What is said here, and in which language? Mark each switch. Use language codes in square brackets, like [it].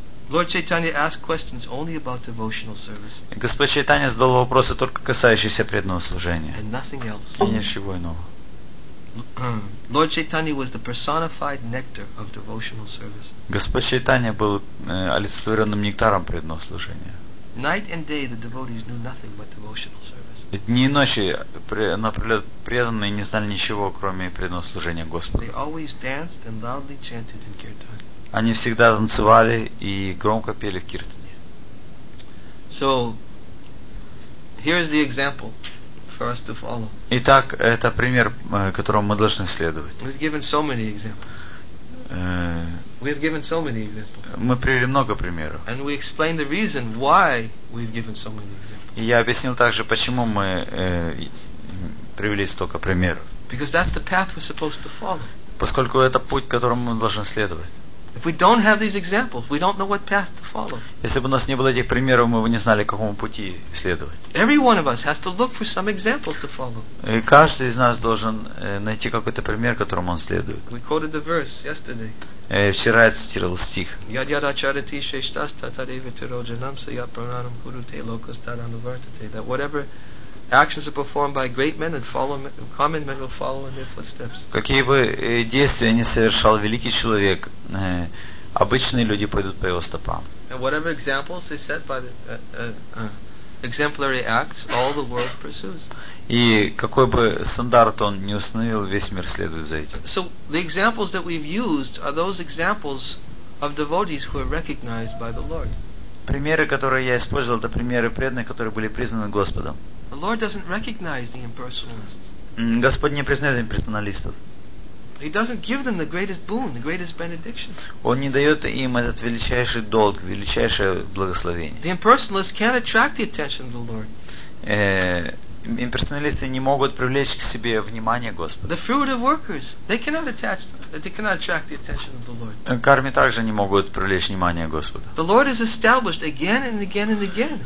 [en] Lord Chaitanya asked questions only about devotional service. [ru] Господь Чайтанья задал вопросы только касающиеся преданного служения. [en] And nothing else. [ru] И ничего иного. [en] Lord Chaitanya was the personified nectar of devotional service. [ru] Господь Чайтанья был олицетворенным нектаром преданного служения. [en] Night and day the devotees knew nothing but devotional service. [ru] Дни и ночи напролет преданные не знали ничего, кроме преданного служения Господу. [en] They always danced and loudly chanted in kirtan. [ru] Они всегда танцевали и громко пели в киртане. [en] So here is the example. For us to follow. [ru] Итак, это пример, которому мы должны следовать. [en] We've given so many examples. [ru] Мы привели много примеров. [en] And we explained the reason why we've given so many examples. [ru] И я объяснил также, почему мы привели столько примеров. [en] Because that's the path we're supposed to follow. [ru] Поскольку это путь, которому мы должны следовать. [en] If we don't have these examples, we don't know what path to follow. [ru] Если бы у нас не было этих примеров, мы бы не знали, какому пути следовать. [en] Every one of us has to look for some example to follow. [ru] И каждый из нас должен найти какой-то пример, которому он следует. [en] We quoted the verse yesterday. [ru] Вчера я цитировал стих. [sa] Яд яд ачара ти шештас татаре ветеро джанам сая пранам хуру те локас тарану вартате. [en] That whatever actions are performed by great men and follow common men will follow in their footsteps. [ru] Какие бы действия ни совершал великий человек, обычные люди пойдут по его стопам. [en] And whatever examples they set by the exemplary acts, all the world pursues. [ru] И какой бы стандарт он ни установил, весь мир следует за этим. [en] So the examples that we've used are those examples of devotees who are recognized by the Lord. [ru] Примеры, которые я использовал, это примеры преданных, которые были признаны Господом. [en] The Lord doesn't recognize the impersonalists. [ru] Господь не признает имперсоналистов. [en] He doesn't give them the greatest boon, the greatest benediction. [ru] Он не дает им этот величайший долг, величайшее благословение. [en] The impersonalists can't attract the attention of the Lord. [ru] имперсоналисты не могут привлечь к себе внимание Господа. [en] The fruit of workers, they cannot attract the attention of the Lord. [ru] Карми также не могут привлечь внимание Господа. [en] The Lord is established again and again and again.